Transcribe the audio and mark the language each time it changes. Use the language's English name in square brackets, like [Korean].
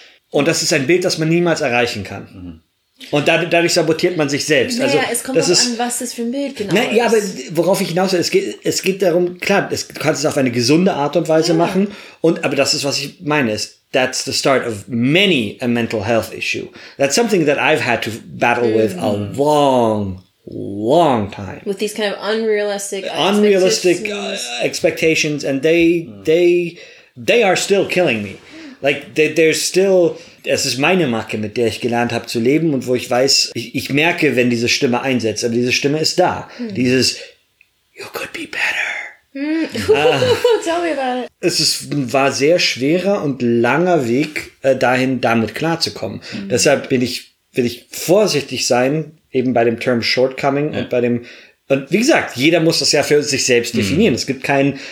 [German] Und das ist ein Bild, das man niemals erreichen kann. Und dadurch sabotiert man sich selbst. Naja, also, es kommt das auch an, was das für ein Bild genau ist. Ja, aber worauf ich hinaus will, es geht darum, klar, du kannst es auf eine gesunde Art und Weise machen, aber das ist, was ich meine, [English] that's the start of many a mental health issue. That's something that I've had to battle with a long, long time. With these kind of unrealistic expectations. Expectations, and they are still killing me. Like, there's still... [German] Es ist meine Macke, mit der ich gelernt habe zu leben und wo ich weiß, ich merke, wenn diese Stimme einsetzt, aber diese Stimme ist da. Dieses, [English] you could be better. Tell me about it. [German] Es war sehr schwerer und langer Weg dahin, damit klarzukommen. Deshalb will ich vorsichtig sein, eben bei dem Term Shortcoming und bei dem... Und wie gesagt, jeder muss das ja für sich selbst definieren. Es gibt keinen...